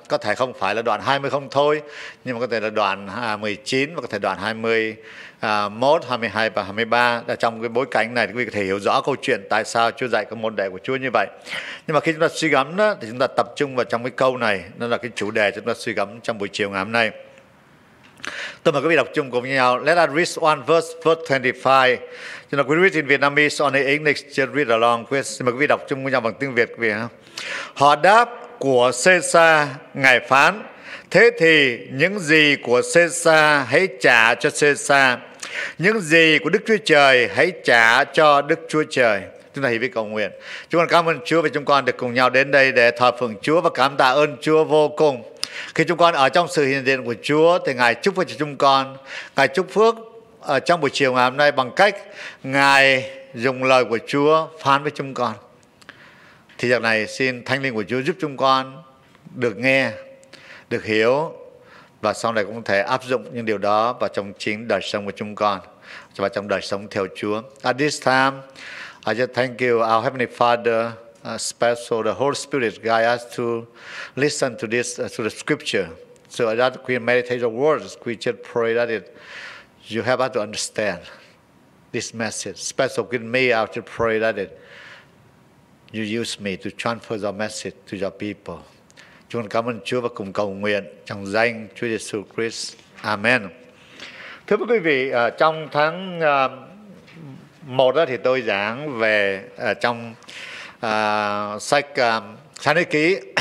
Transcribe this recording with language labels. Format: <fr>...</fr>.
<vi>Có thể không phải là đoạn 20 không thôi, nhưng mà có thể là đoạn 19 và có thể đoạn 21, 22 và 23. Là trong cái bối cảnh này thì quý vị có thể hiểu rõ câu chuyện tại sao Chúa dạy các môn đệ của Chúa như vậy. Nhưng mà khi chúng ta suy gẫm đó, thì chúng ta tập trung vào trong cái câu này, nó là cái chủ đề chúng ta suy gẫm trong buổi chiều ngày hôm nay. Tôi mời quý vị đọc chung cùng nhau.</vi> <en>Let us read one verse, verse 25. You know, we read in Vietnamese, on the English, just read along.</en> <vi>Xin mời quý vị đọc chung cùng nhau bằng tiếng Việt. Họ đáp của Caesar, Ngài phán, thế thì những gì của Caesar hãy trả cho Caesar, những gì của Đức Chúa Trời hãy trả cho Đức Chúa Trời. Chúng ta hiệp ý cầu nguyện. Chúng con cảm ơn Chúa vì chúng con được cùng nhau đến đây để thờ phượng Chúa và cảm tạ ơn Chúa vô cùng. Khi chúng con ở trong sự hiện diện của Chúa thì Ngài chúc phước cho chúng con. Ngài chúc phước ở trong buổi chiều ngày hôm nay bằng cách Ngài dùng lời của Chúa phán với chúng con. Thì giờ này xin Thánh Linh của Chúa giúp chúng con được nghe, được hiểu và sau này cũng có thể áp dụng những điều đó vào trong chính đời sống của chúng con và trong đời sống theo Chúa.</vi> <en>At this time, I just thank you, our Heavenly Father, special the Holy Spirit guide us to listen to this, to the scripture. So that we meditate the words, we just pray that it, you help us to understand this message. Special with me, I just pray that it, you use me to transfer the message to your people.</en> <vi>Chúng con cảm ơn Chúa và cùng cầu nguyện trong danh Chúa Jesus Christ. Amen. Thưa quý vị, trong tháng 1 đó thì tôi giảng về trong sách Sáng Thế Ký.</vi>